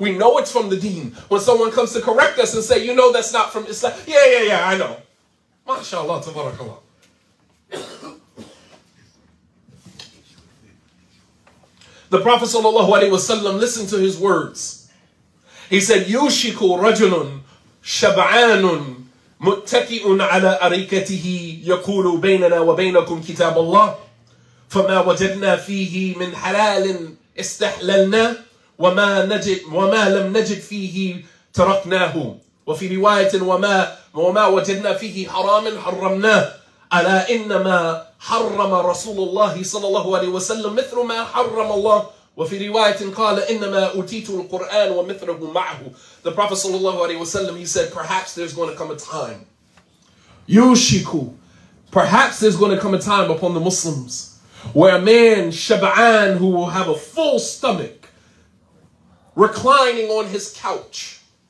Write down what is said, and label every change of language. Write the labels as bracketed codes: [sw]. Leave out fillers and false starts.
[en] We know it's from the deen. When someone comes to correct us and say, you know that's not from Islam. Yeah, I know. MashaAllah, tabarakAllah. The Prophet sallallahu alaihi wasallam listened to his words. He said, [ar] Yushiku rajulun shab'anun مُتَّكِئٌ عَلَىٰ أَرِيكَتِهِ يَقُولُ بَيْنَنَا وَبَيْنَكُمْ كِتَابَ اللَّهِ فَمَا وَجَدْنَا فِيهِ مِنْ حَلَالٍ إِسْتَحْلَلْنَا وَمَا لَمْ نَجِدْ فِيهِ تَرَكْنَاهُ وَفِي رِوَايَةٍ وَمَا وَجَدْنَا فِيهِ حَرَامٍ حَرَّمْنَاهُ أَلَا إِنَّمَا حَرَّمَ رَسُولُ اللَّهِ صَلَّى اللَّهُ عَلَيْهِ وَسَلَّمَ مِثْلُ مَا حَرَّمَ اللَّهُ وَفِي رِوَايَةٍ قَالَ إِنَّمَا أُوتِيتُ الْقُرْآنَ وَمِثْلَهُ مَعْهُ. [en] The Prophet sallallahu alaihi wasallam, he said, perhaps there's going to come a time. Yushiku. Perhaps there's going to come a time upon the Muslims where a man, shab'an, who will have a full stomach, reclining on his couch.